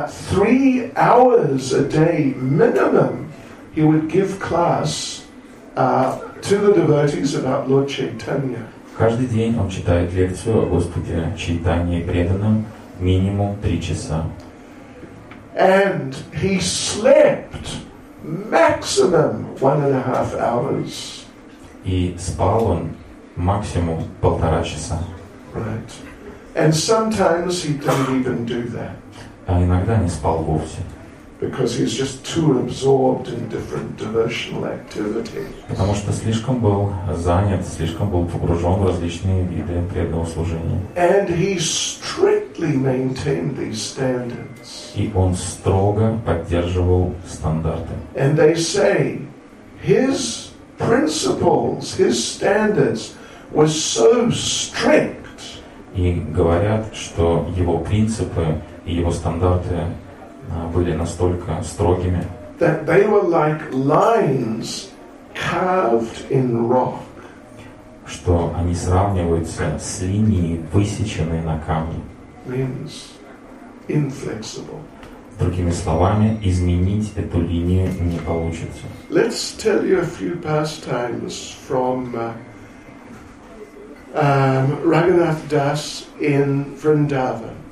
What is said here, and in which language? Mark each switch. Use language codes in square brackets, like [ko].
[en] Three hours a day minimum he would give class to the devotees about Lord Chaitanya. [ru] Каждый день он читает лекцию о Господе Чайтанье преданным минимум 3 часа. [en] And he slept maximum 1.5 hours. [ru] И спал он максимум 1.5 часа. [en] Right. And sometimes he didn't even do that. [ru] А иногда не спал вовсе. [en] Because he's just too absorbed in different devotional activities. [ru] Потому что слишком был занят, слишком был погружен в различные виды преданного служения. [en] And he strictly maintained these standards. [ru] И он строго поддерживал стандарты. [en] And they say his principles, his standards were so strict. [ru] И говорят, что его принципы и его стандарты были настолько строгими, [en] that they were like lines carved in rock. [ru] Что они сравниваются с линией, высеченной на камне. [en] Means inflexible. [ru] Другими словами, изменить эту линию не получится. [en] Let's tell you a few pastimes from Raghunath Das in Vrindavan.